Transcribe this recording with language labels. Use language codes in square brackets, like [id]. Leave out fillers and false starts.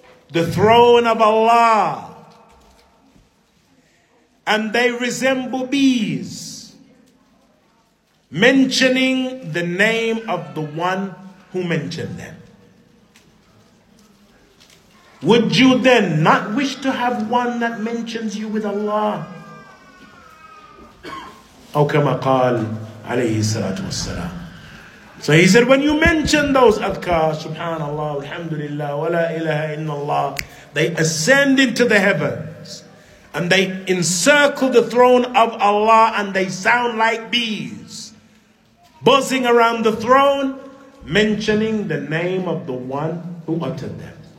[en] the throne of Allah, and they resemble bees mentioning the name of the one who mentioned them. Would you then not wish to have one that mentions you with Allah? [ar] أو كما قال عليه الصلاة والسلام. [en] So he said, when you mention those adhkar, subhanallah, alhamdulillah, wa la ilaha illallah, they ascend into the heavens and they encircle the throne of Allah and they sound like bees buzzing around the throne, mentioning the name of the one who uttered them.